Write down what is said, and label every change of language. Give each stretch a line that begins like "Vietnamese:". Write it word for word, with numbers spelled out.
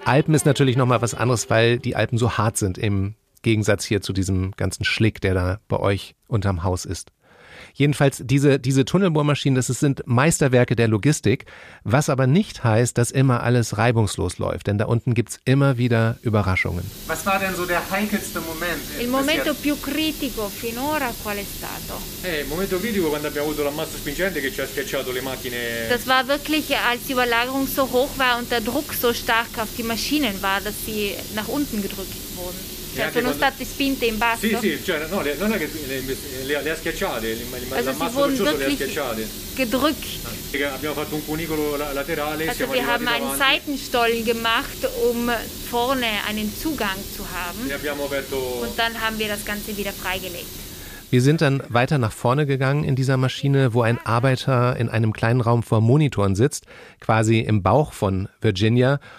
German: Alpen ist natürlich nochmal was anderes, weil die Alpen so hart sind im Gegensatz hier zu diesem ganzen Schlick, der da bei euch unterm Haus ist. Jedenfalls diese, diese Tunnelbohrmaschinen, das sind Meisterwerke der Logistik, was aber nicht heißt, dass immer alles reibungslos läuft, denn da unten gibt es immer wieder Überraschungen. Was war denn so der heikelste Moment?
Italian: Il momento più critico finora qual è stato? Eh, il momento critico quando abbiamo avuto l'ammasso spingente che ci ha schiacciato le macchine.
German: Das war wirklich, als die Überlagerung so hoch war und der Druck so stark auf die Maschinen war, dass sie nach unten gedrückt wurden.
Italian: Sono state spinte in basso. Sì, sì, cioè no, le, non è che le, le, le ha schiacciate, l'ammasso roccioso le ha schiacciate.
German: Gedrückt.
Italian: Abbiamo fatto un cunicolo laterale,
German: also wir haben einen Seitenstollen gemacht, um vorne einen Zugang zu haben.
Italian: Abbiamo aperto.
German: Und dann haben wir das Ganze wieder freigelegt. Wir sind dann weiter nach vorne gegangen in dieser Maschine, wo ein Arbeiter in einem kleinen Raum vor Monitoren sitzt, quasi im Bauch von Virginia.